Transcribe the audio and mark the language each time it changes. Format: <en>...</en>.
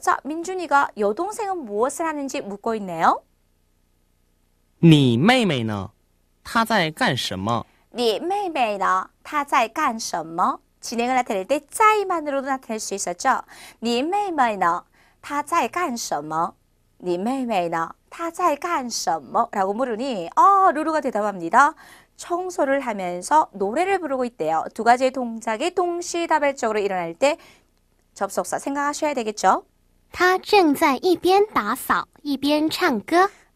<ko>자, 민준이가 여동생은 무엇을 하는지 묻고 있네요.</ko> <zh>你妹妹呢?她在干什么?你妹妹呢?她在干什么? 진행을 나타낼 때 짜이만으로도 나타낼 수 있었죠. 你妹妹呢?她在干什么? 你妹妹呢?她在干什么?</zh> <ko>라고 물으니, 루루가 대답합니다. 청소를 하면서 노래를 부르고 있대요. 두 가지의 동작이 동시다발적으로 일어날 때 접속사 생각하셔야 되겠죠?</ko> <zh>她正在一边打扫一边唱歌.</zh>